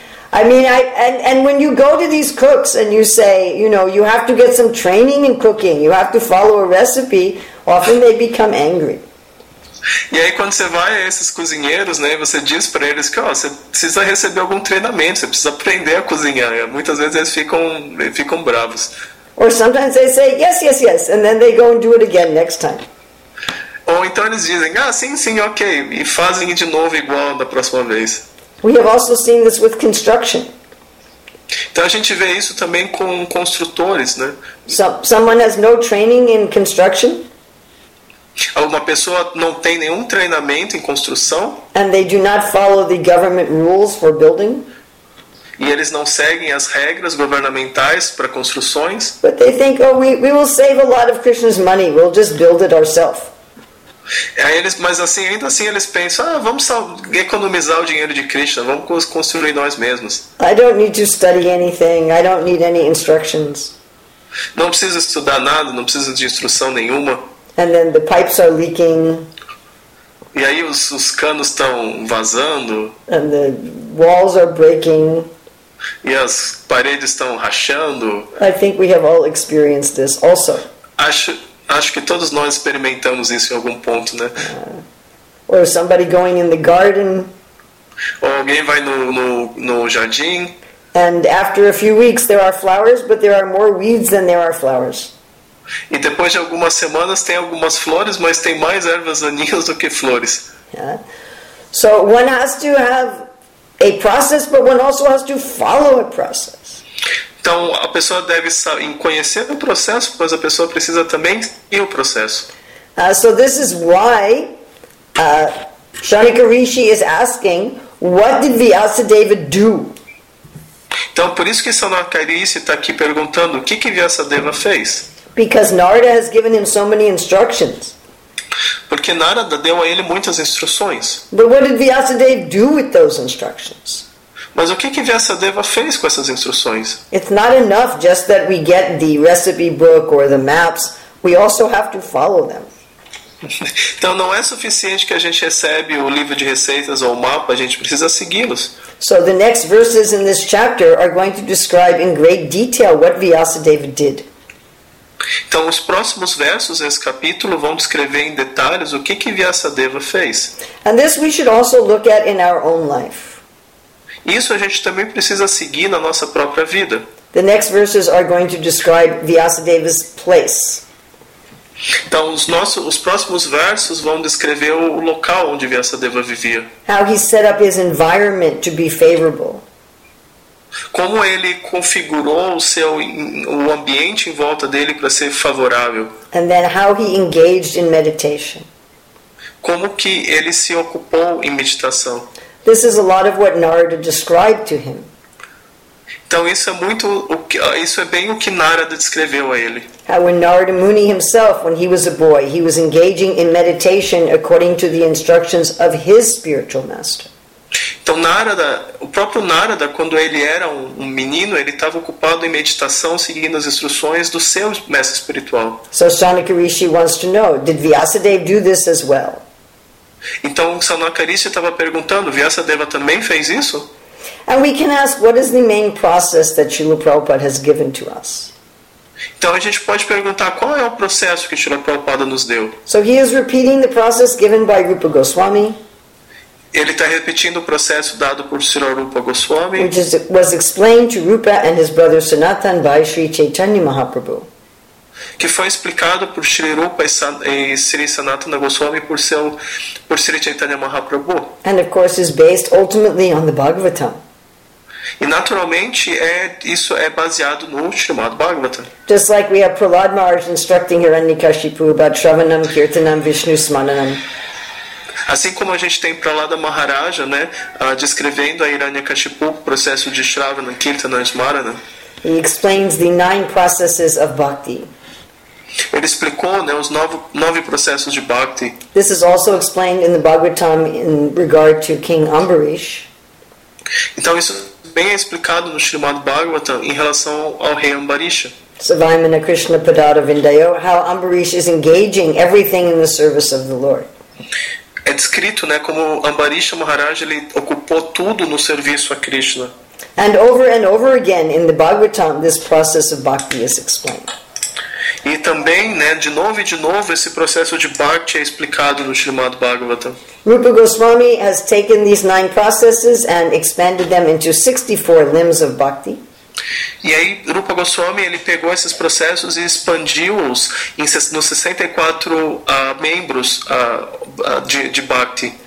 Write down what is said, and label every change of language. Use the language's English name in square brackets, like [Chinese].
[English] And when you go to these cooks and you say, you know, you have to get some training in cooking, you have to follow a recipe, often they become angry. [Portuguese] E aí quando você vai a esses cozinheiros, né, você diz para eles que, ó, você precisa receber algum treinamento, você precisa aprender a cozinhar. E muitas vezes eles ficam bravos. [English] Or sometimes they say, yes, yes, yes, and then they go and do it again next time. [Portuguese] Ou então eles dizem, ah, sim, sim, ok, e fazem de novo igual da próxima vez. [English] We have also seen this with construction. [Portuguese] Então a gente vê isso também com construtores, né? [English] Someone has no training in construction. [Portuguese] Uma pessoa não tem nenhum treinamento em construção. [English] And they do not follow the government rules for building. [Portuguese] E eles não seguem as regras governamentais para construções. [English] But they think, oh, we will save a lot of Krishna's money. We'll just build it ourselves. [Portuguese] Mas ainda assim eles pensam, ah, vamos economizar o dinheiro de Krishna, vamos construir nós mesmos. [English] I don't need to study anything, I don't need any instructions. [Portuguese] Não preciso estudar nada, não preciso de instrução nenhuma. [English] And then the pipes are leaking. [Portuguese] E aí os canos estão vazando. [English] And the walls are breaking. [Portuguese] E as paredes estão rachando. [English] I think we have all experienced this also. [Portuguese] Acho que todos nós experimentamos isso em algum ponto, né? [English] Or somebody going in the garden. [Portuguese] Ou alguém vai no jardim. [English] And after a few weeks there are flowers, but there are more weeds than there are flowers. [Portuguese] E depois de algumas semanas tem algumas flores, mas tem mais ervas daninhas do que flores. [English] So one has to have a process, but one also has to follow a process. [Portuguese] Então, a pessoa deve conhecer o processo, pois a pessoa precisa também ir o processo. [English] So this is why Shanika Rishi is asking, what did Vyasadeva do? [Portuguese] Então, por isso que Shanika Rishi está aqui perguntando, o que que Vyasadeva fez? [English] Because Narada has given him so many instructions. [Portuguese] Porque Narada deu a ele muitas instruções. [English] But what did Vyasadeva do with those instructions? [Portuguese] Mas o que que Vyasadeva fez com essas instruções? [English] It's not enough just that we get the recipe book or the maps. We also have to follow them. [Portuguese] Então não é suficiente que a gente recebe o livro de receitas ou o mapa. A gente precisa segui-los. [English] So the next verses in this chapter are going to describe in great detail what Vyasadeva did. [Portuguese] Então os próximos versos nesse capítulo vão descrever em detalhes o que que Vyasadeva fez. [English] And this we should also look at in our own life. [Portuguese] Isso a gente também precisa seguir na nossa própria vida. [English] The next verses are going to describe Vyasadeva's place. [Portuguese] Então, os próximos versos vão descrever o local onde Vyasadeva vivia. [English] How he set up his environment to be favorable. [Portuguese] Como ele configurou o ambiente em volta dele para ser favorável. [English] And then how he engaged in meditation. [Portuguese] Como que ele se ocupou em meditação. [English] This is a lot of what Narada described to him. [Portuguese] Então isso é bem o que Narada descreveu a ele. [English] How when Narada Muni himself, when he was a boy, he was engaging in meditation according to the instructions of his spiritual master. [Portuguese] Então o próprio Narada, quando ele era um menino, ele estava ocupado em meditação seguindo as instruções do seu mestre espiritual. [English] So Shanika Rishi wants to know, did Vyasadeva do this as well? [Portuguese] Então, Shanika Rishi estava perguntando, Vyasadeva também fez isso? [English] And we can ask, what is the main process that Srila Prabhupada has given to us? [Portuguese] Então, a gente pode perguntar, qual é o processo que Srila Prabhupada nos deu? [English] So he is repeating the process given by Rupa Goswami. [Portuguese] Ele está repetindo o processo dado por Srila Rupa Goswami. [English] Which was explained to Rupa and his brother Sanatan by Sri Chaitanya Mahaprabhu. [Portuguese] Que foi explicado por Sri Rupa e Sri Sanatana Goswami por Sri Chaitanya Mahaprabhu. [English] And of course is based ultimately on the Bhagavatam. [Portuguese] E naturalmente isso é baseado no Srimad Bhagavatam. [English] Just like we have Prahlad Maharaj instructing Hiranyakashipu about Shravanam, Kirtanam, Vishnu Smaranam. [Portuguese] Assim como a gente tem Prahlada Maharaja, né, descrevendo a Hiranyakashipu o processo de Shravanam, Kirtanam, Smaranam. [English] He explains the nine processes of bhakti. [Portuguese] Ele explicou, né, os nove processos de bhakti. [English] This is also explained in the Bhagavatam in regard to King Ambarish. [Portuguese] Então isso bem é explicado no Srimad Bhagavatam em relação ao rei Ambarisha. [Sanskrit] Savaimana Krishna Padada Vindayo, [English] how Ambarish is engaging everything in the service of the Lord. [Portuguese] É descrito, né, como Ambarisha Maharaj ele ocupou tudo no serviço a Krishna. [English] And over again in the Bhagavatam this process of bhakti is explained. [Portuguese] E também, né, de novo esse processo de bhakti é explicado no Srimad Bhagavatam. [English] Rupa Goswami has taken these nine processes and expanded them into 64 limbs of bhakti. [Portuguese] E aí Rupa Goswami ele pegou esses processos e expandiu-os nos 64 membros de bhakti.